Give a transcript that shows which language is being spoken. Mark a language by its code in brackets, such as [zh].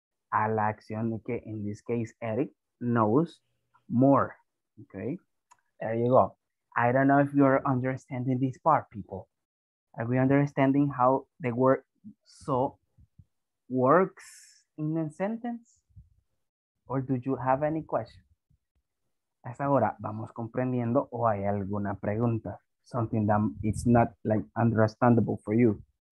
[es] A la acción de que, [en] in this case, Eric knows more, okay? There you go. I don't know if you're understanding this part, people. Are we understanding how the word so works in a sentence? Or do you have any question? [es] Hasta ahora, vamos comprendiendo o hay alguna pregunta. [en] Something that it's not like understandable for you.